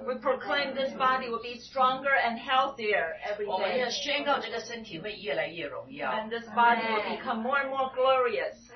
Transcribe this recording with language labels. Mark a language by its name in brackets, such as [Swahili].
[English] We proclaim this body will be stronger and healthier every day. [Chinese] 我们要宣告这个身体会越来越荣耀。 [English] And this body will become more and more glorious.